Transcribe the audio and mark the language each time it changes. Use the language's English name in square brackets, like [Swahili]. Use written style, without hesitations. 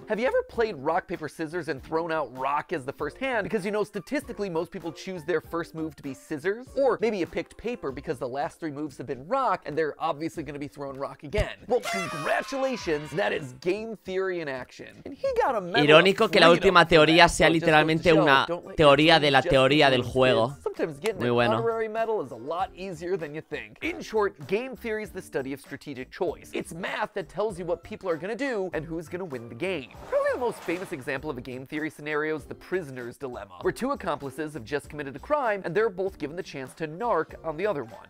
[English] Have you ever played rock, paper, scissors and thrown out rock as the first hand because you know statistically most people choose their first move to be scissors? Or maybe you picked paper because the last three moves have been rock and they're obviously gonna be thrown rock again. Well, congratulations, that is game theory in action. And he got a medal. [Spanish] Irónico que la última teoría sea literalmente una teoría de la teoría del juego. [English] Sometimes getting [Spanish] Muy [English] an [Spanish] bueno. [English] Honorary medal is a lot easier than you think. In short, game theory is the study of strategic choice. It's math that tells you what people are gonna do and who's gonna win the game. Probably the most famous example of a game theory scenario is the prisoner's dilemma, where two accomplices have just committed a crime and they're both given the chance to narc on the other one.